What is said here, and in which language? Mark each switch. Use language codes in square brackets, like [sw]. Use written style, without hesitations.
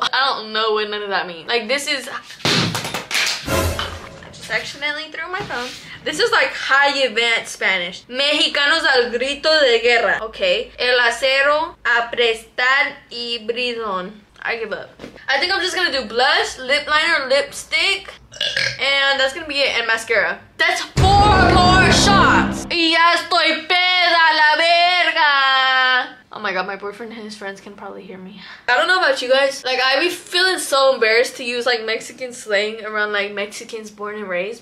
[en] I don't know what none of that means. Like, this is... accidentally threw my phone. This is like high event Spanish. [es] Mexicanos al grito de guerra. Okay. El acero a prestar y bridón. [en] I give up. I think I'm just gonna do blush, lip liner, lipstick, and that's gonna be it, and mascara. That's 4 more shots. [es] Y ya estoy peda la verga. [en] Oh my god, my boyfriend and his friends can probably hear me. I don't know about you guys. Like, I be feeling so embarrassed to use, like, Mexican slang around, like, Mexicans born and raised.